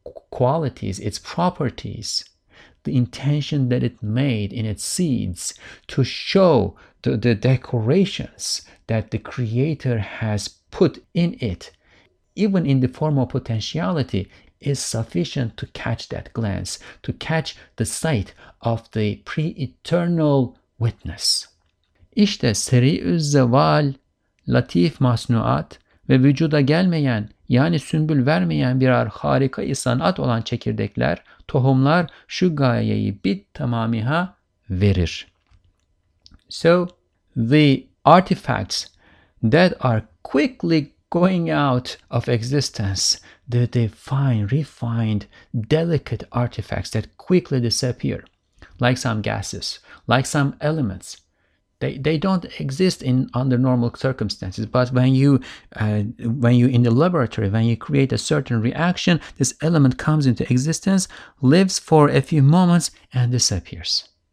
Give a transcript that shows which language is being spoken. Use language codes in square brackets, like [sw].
[en] qualities, its properties, the intention that it made in its seeds to show the decorations that the Creator has put in it, even in the form of potentiality, is sufficient to catch that glance, to catch the sight of the pre-eternal witness. [tr] İşte seri'üz zeval, latif masnuat ve vücuda gelmeyen, yani sümbül vermeyen birer harika-i sanat olan çekirdekler, tohumlar şu gayeyi bit tamamiha verir. [en] So, the artifacts that are quickly going out of existence, the fine, refined, delicate artifacts that quickly disappear, like some gases, like some elements, they don't exist in under normal circumstances, but when you in the laboratory, when you create a certain reaction, this element comes into existence, lives for a few moments, and disappears.